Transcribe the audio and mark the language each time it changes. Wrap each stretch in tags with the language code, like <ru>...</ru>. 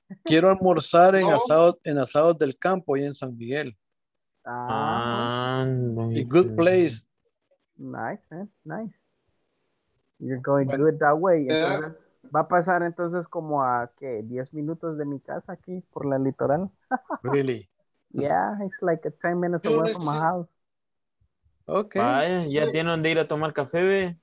<es>Quiero almorzar en asado del campo y en San Miguel. Ah,</es> <en>a good place. Nice, man. Nice. You're going good that way. Yeah.</en> <es>Va a pasar entonces como a, ¿qué? 10 minutos de mi casa aquí por la litoral.</es> <en>Really? Yeah, it's like a 10 minutes away from my house. Okay.</en> <es>Vaya, ya tienen donde ir a tomar café, ¿ve?</es>